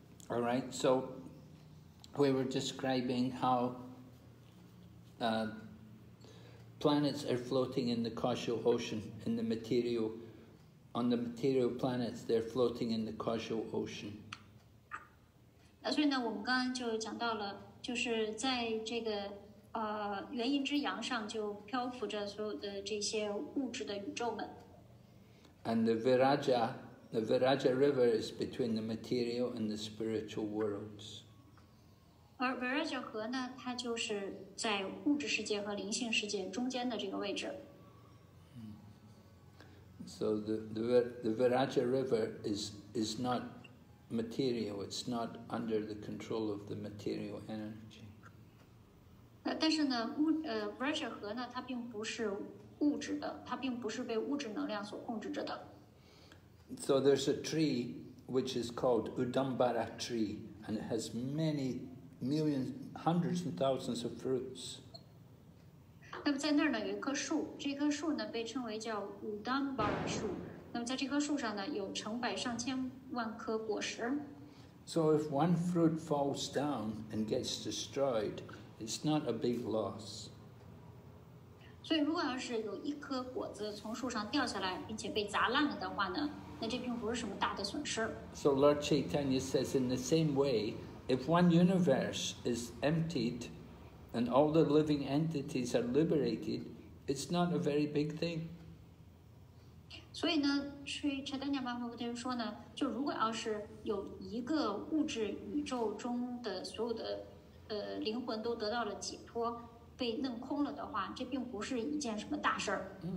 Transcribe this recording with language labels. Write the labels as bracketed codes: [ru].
[en] All right, so we were describing how planets are floating in the causal ocean, in the material, on the material planets, they're floating in the causal ocean. [zh] 所以呢，我们刚刚就讲到了，就是在这个原因之阳上就漂浮着所有的这些物质的宇宙们。 [en] And the Viraja The Viraja River is between the material and the spiritual worlds. [zh] 而 Viraja 河呢，它就是在物质世界和灵性世界中间的这个位置。 [en] So the Viraja River is not material. It's not under the control of the material energy. [zh] 但是呢，Viraja 河呢，它并不是物质的，它并不是被物质能量所控制着的。 [en] So there's a tree which is called Udambara tree, and it has many millions, hundreds and thousands of fruits. [zh] 那么在那儿呢，有一棵树，这棵树呢被称为叫 Udambara 树。那么在这棵树上呢，有成百上千万颗果实。 [en] So if one fruit falls down and gets destroyed, it's not a big loss. [zh] 所以如果要是有一颗果子从树上掉下来，并且被砸烂了的话呢？ [en] So Lord Chaitanya says, in the same way, if one universe is emptied and all the living entities are liberated, it's not a very big thing. [zh] 所以呢，是 Chaitanya Mahaprabhu 说呢，就如果要是有一个物质宇宙中的所有的灵魂都得到了解脱，被弄空了的话，这并不是一件什么大事儿。